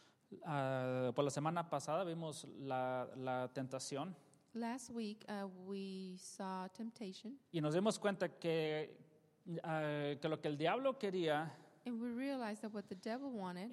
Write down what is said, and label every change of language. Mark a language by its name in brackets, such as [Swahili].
[Spanish] Pues la semana pasada vimos la tentación. [English] Last week we saw temptation. [Spanish] Y nos dimos cuenta que lo que el diablo quería. [English] And we realized that what the devil wanted.